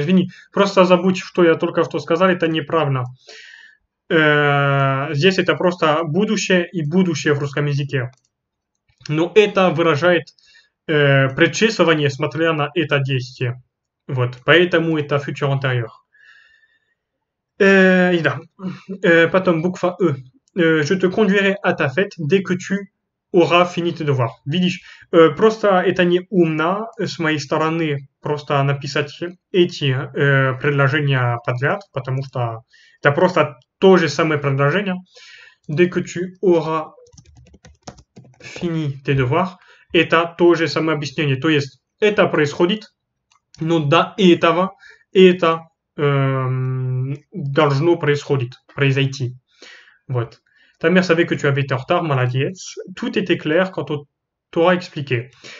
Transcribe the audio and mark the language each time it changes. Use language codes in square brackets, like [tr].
[ru] Извини, просто забудь, что я только что сказал, это неправильно. Здесь это просто будущее и будущее в русском языке. Но это выражает предшествование, смотря на это действие. Вот, поэтому это future anterior. И да, потом буква «e». [fr] Je te conduirai à ta fête dès que tu auras fini tes devoirs. [ru] Видишь, просто это не умно с моей стороны просто написать эти предложения подряд, потому что это просто то же самое предложение. [fr] Dès que tu auras fini tes devoirs, [ru] это то же самое объяснение. То есть это происходит, но до этого это должно произойти. Вот. [fr] Ta mère savait que tu avais été en retard, maladie. Tout était clair quand on t'aura expliqué.